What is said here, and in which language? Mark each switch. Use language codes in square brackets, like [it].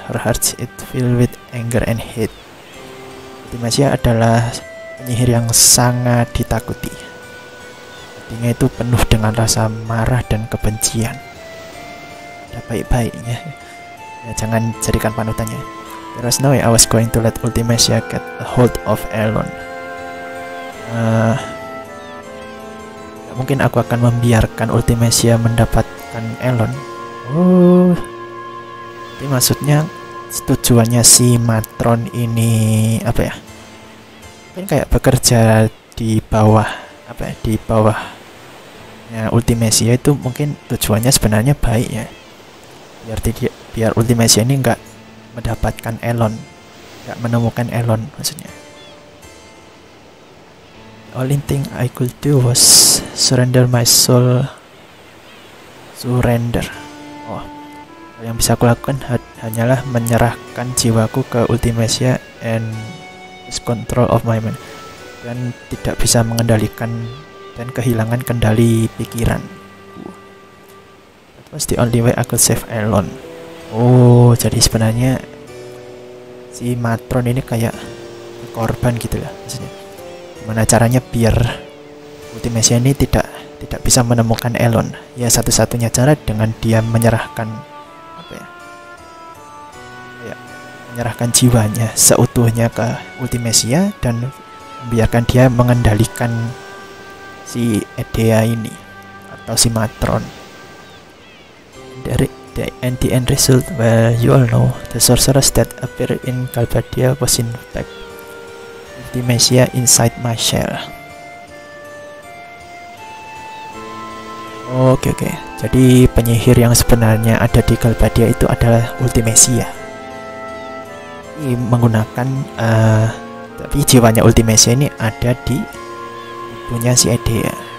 [en] Her heart is filled with anger and hate. [id] Ultimesia adalah penyihir yang sangat ditakuti. Hatinya itu penuh dengan rasa marah dan kebencian. Ada baik-baiknya. Ya, jangan jadikan panutannya. [en] There was no way I was going to let Ultimesia get a hold of Elon. [id] Mungkin aku akan membiarkan Ultimesia mendapatkan Elon. Jadi maksudnya tujuannya si matron ini apa ya? Mungkin kayak bekerja di bawah apa ya, di bawah ya, Ultimesia itu mungkin tujuannya sebenarnya baik ya. Biar tidak, biar Ultimesia ini enggak mendapatkan Elon, enggak menemukan Elon maksudnya. [en] The only thing I could do was surrender my soul. Surrender. [id] Oh, yang bisa aku lakukan hanyalah menyerahkan jiwaku ke Ultimesia [en] and his control of my mind. [id] Dan tidak bisa mengendalikan dan kehilangan kendali pikiran. [en] That was the only way I could save Elon. [id] Oh, jadi sebenarnya si matron ini kayak korban gitu lah maksudnya. Gimana caranya biar Ultimesia ini tidak bisa menemukan Elon? Ya satu-satunya cara dengan dia menyerahkan apa ya? Ya, menyerahkan jiwanya seutuhnya ke Ultimesia dan biarkan dia mengendalikan si edea ini atau si matron. [en] Dari the end result, well, you all know the sorceress that appeared in Calvadia was in fact Ultimesia inside my shell. Okay. [id] Jadi penyihir yang sebenarnya ada di Calvadia itu adalah Ultimesia. Ini menggunakan tapi jiwanya Ultimesia ini ada di tubuhnya si Edea.